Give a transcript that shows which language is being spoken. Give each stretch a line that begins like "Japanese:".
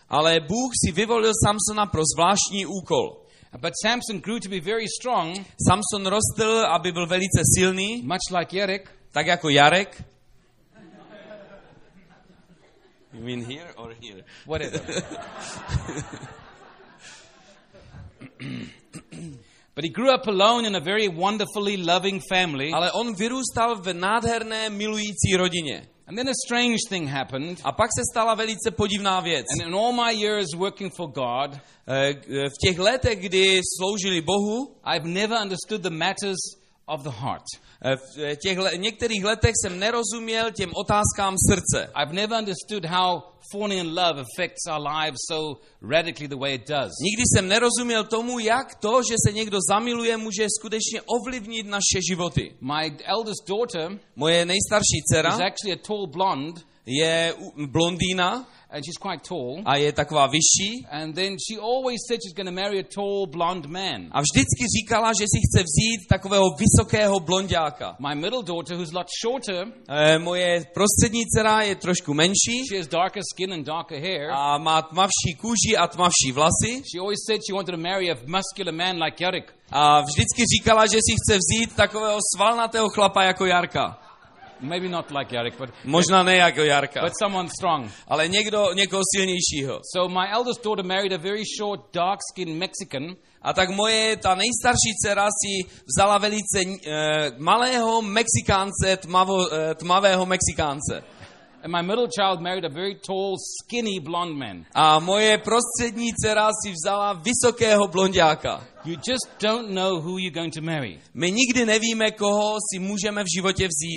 Czech: Ale Bůh si vyvolil Samsona pro zvláštní úkol.
English: But Samson grew to be very strong.
Czech: Samson rostl, aby byl velice silný.
English: Much like Jarek.
Czech: Tak jako Jarek.
English: You mean here or here? Whatever. But he grew up alone in a very wonderfully loving family.
Czech: Ale on vyrůstal v nádherné milující rodině.
English: And then a strange thing happened.
Czech: A pak se stala velice podivná věc.
English: And in all my years working for God,
Czech: v těch letech, kdy sloužili Bohu,
English: I've never understood the matters of the heart.
Czech: V těch některých letech jsem nerozuměl těm otázkám srdce.
English: I've never understood how falling in love affects our lives so radically the way it does.
Czech: Nikdy jsem nerozuměl tomu, jak to, že se někdo zamiluje, může skutečně ovlivnit naše životy.
English: My eldest daughter,
Czech: moje nejstarší dcera,
English: is actually a tall blonde,
Czech: je blondýna.
English: And she's quite tall.
Czech: A je taková vyšší.
English: And then she always said she's going to marry a tall blonde man.
Czech: A vždycky říkala, že si chce vzít takového vysokého blondiáka.
English: My middle daughter, who's a lot shorter.
Czech: Moje prostřední dcera je trošku menší.
English: She has darker skin and darker hair.
Czech: A má tmavší kůži a tmavší vlasy.
English: She always said she wanted to marry a muscular man like Jarek.
Czech: A vždycky říkala, že si chce vzít takového svalnatého chlapa jako Jarka.
English: Maybe not like Jarek, but
Czech: možná ne jako Jarka.
English: But someone strong.
Czech: Ale někdo někoho silnějšího.
English: So my eldest daughter married a very short, dark-skinned Mexican.
Czech: A tak moje ta nejstarší dcera si vzala velice malého Mexikánce, tmavého Mexikánce.
English: And my middle child married a very tall, skinny blonde man.
Czech: A moje prostřední dcera si vzala vysokého blondiáka.
English: You just don't know who you're going to marry.
Czech: My nikdy nevíme, koho si můžeme v životě vzít.